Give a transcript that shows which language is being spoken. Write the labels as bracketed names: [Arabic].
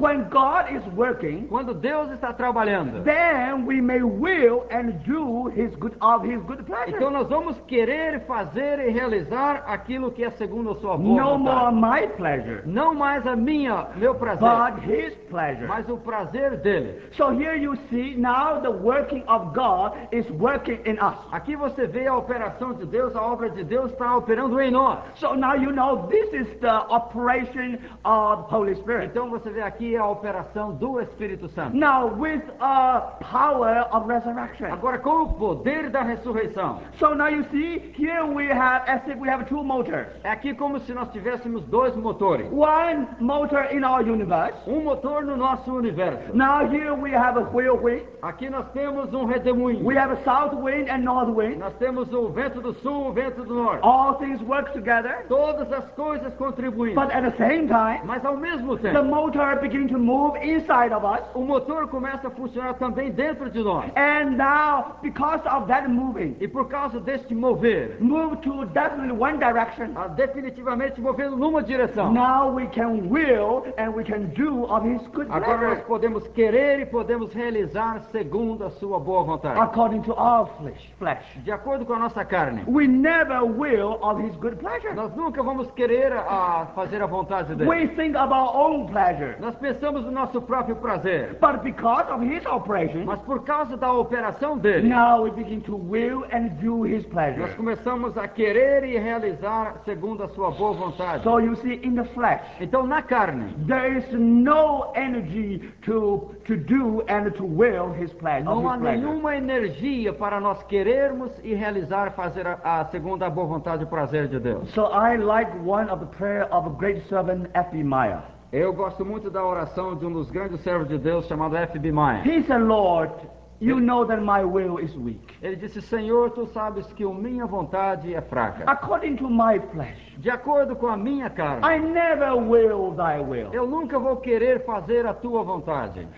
[English] When God is working, [Portuguese] quando Deus está trabalhando, [English] then we may will and do his good of his good pleasure. [Portuguese] Então nós vamos querer fazer e realizar aquilo que é segundo a sua boa no vontade. [English] No more my pleasure. [Portuguese] Não mais a minha, meu prazer. [English] But his pleasure. [Portuguese] Mas o prazer dele. [English] So here you see now the working of God is working in us. [Portuguese] Aqui você vê a operação de Deus, a obra de Deus está operando em nós. [English] So now you know this is the operation of Holy Spirit. [Portuguese] Então você vê aqui a operação do Espírito Santo. [English] Now with a power of resurrection. [Portuguese] Agora com o poder da ressurreição. [English] So now you see here we have as if we have two motors. [Portuguese] É aqui como se nós tivéssemos dois motores. [English] One motor in our universe. [Portuguese] Um motor no nosso universo. [English] Now here we have a whirlwind. [Portuguese] Aqui nós temos um redemoinho. [English] We have a south wind and north wind. [Portuguese] Nós temos o vento do sul, o vento do norte. [English] All things work together. [Portuguese] Todas as coisas contribuem. [English] But at the same time, [Portuguese] mas ao mesmo tempo, [English] the motor begins to move inside of us. [Portuguese] O motor começa a funcionar também dentro de nós. [English] And now, because of that moving, [Portuguese] e por causa deste mover, [English] move to definitely one direction. [Portuguese] Definitivamente movendo numa direção. [English] Now we can will and we can do of His good pleasure. [Portuguese] Agora nós podemos querer e podemos realizar segundo a sua boa vontade. [English] According to our flesh. [Portuguese] De acordo com a nossa carne. [English] We never will of his good pleasure. [Portuguese] Nós nunca vamos querer fazer a vontade dele. [English] We think of our own pleasure. [Portuguese] Nós pensamos no nosso próprio prazer. [English] But because of his operation. [Portuguese] Mas por causa da operação dele. [English] Now we begin to will and do his pleasure. [Portuguese] Nós começamos a querer e realizar segundo a sua boa vontade. [English] So you see in the flesh. [Portuguese] Então na carne. [English] There is no energy to do and to will his pleasure. [Portuguese] Não há nenhuma energia para nós querermos e realizar fazer a segunda boa vontade e prazer de Deus. [English] So I like one of the prayer of a great servant F.B. Meyer. [Portuguese] Eu gosto muito da oração de um dos grandes servos de Deus chamado F.B. Meyer. [English] He said, Lord, you know that my will is weak. [Portuguese] Ele disse, Senhor, tu sabes que a minha vontade é fraca. [English] According to my flesh. [Portuguese] De acordo com a minha carne. [English] I never will thy will. [Portuguese] Eu nunca vou querer fazer a tua vontade.